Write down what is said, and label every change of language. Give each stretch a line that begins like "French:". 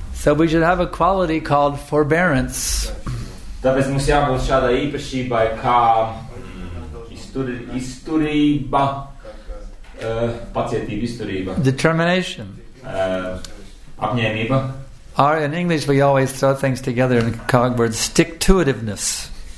English: So we should have a quality called forbearance.
Latvian: Tāpēc mums jābūt šādā īpašībā, kā izturība, pacietība, izturība.
English: Determination.
Latvian: Apņēmība.
English: Or in English we always throw things together in cog words, stick-to-itiveness.